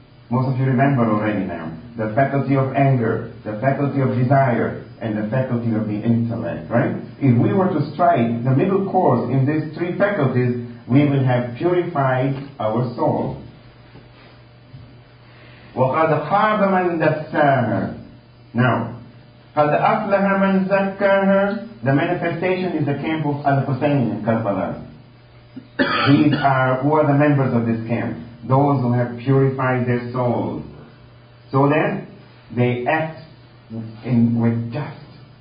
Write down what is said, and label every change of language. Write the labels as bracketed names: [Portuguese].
[English] Most of you remember already now, the faculty of anger, the faculty of desire, and the faculty of the intellect, right? If we were to strike the middle course in these three faculties, we will have purified our soul. [Arabic] وَقَدْ خَابَ مَنْ دَسَّاهَا. Now, قَدْ أَفْلَهَ مَنْ زَكَّاهَا. [English] The manifestation is the camp of Al-Husayn in Karbala. Who are the members of this camp? Those who have purified their souls, so that they act with justice.